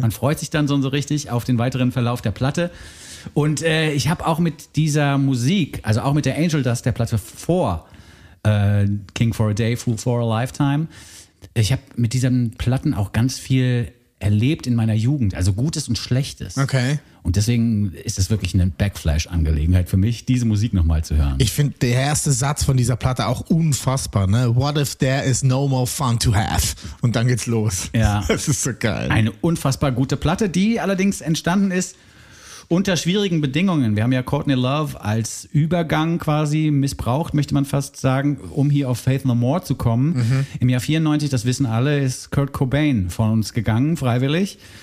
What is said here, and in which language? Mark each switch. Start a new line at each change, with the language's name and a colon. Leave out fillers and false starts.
German: Man freut sich dann so richtig auf den weiteren Verlauf der Platte. Und ich habe auch mit dieser Musik, also auch mit der Angel Dust, der Platte vor King for a Day, Fool for a Lifetime, ich habe mit diesen Platten auch ganz viel erlebt in meiner Jugend, also Gutes und Schlechtes. Okay. Und deswegen ist es wirklich eine Backflash-Angelegenheit für mich, diese Musik nochmal zu hören. Ich finde der erste Satz von dieser Platte auch unfassbar, ne?
English: What if there is no more fun to have?
German: Und dann geht's los. Ja. Das ist so geil. Eine unfassbar gute Platte, die allerdings entstanden ist unter schwierigen Bedingungen. Wir haben ja Courtney Love als Übergang quasi missbraucht, möchte man fast sagen, um hier auf Faith No More zu kommen. Mhm. Im Jahr 94, das wissen alle, ist Kurt Cobain von uns gegangen, freiwillig.